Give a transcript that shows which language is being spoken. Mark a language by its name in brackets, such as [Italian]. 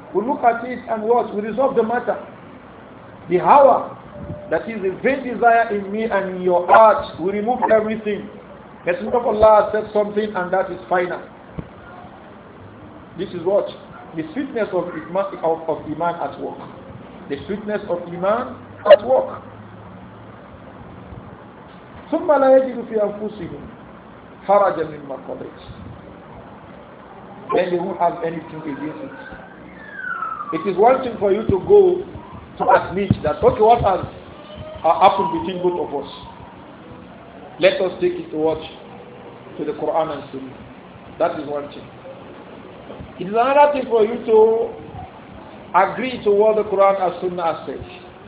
[English] We look at it and what? We resolve the matter. The hawa, that is the vain desire in me and in your heart, we remove everything. The Messenger of Allah said something and that is final. This is what? The sweetness of Iman, of Iman at work. The sweetness of Iman at work. [Arabic] ثُمَّ لَا يَجِدُ فِي أَنفُسِهِمْ حَرَجًا مِمَّا قَضَيْتَ [English] Then they won't have anything against it. It is one thing for you to go to admit that, okay, what has happened between both of us? Let us take it to what? To the Quran and Sunnah. That is one thing. It is another thing for you to agree to what the Quran and Sunnah says.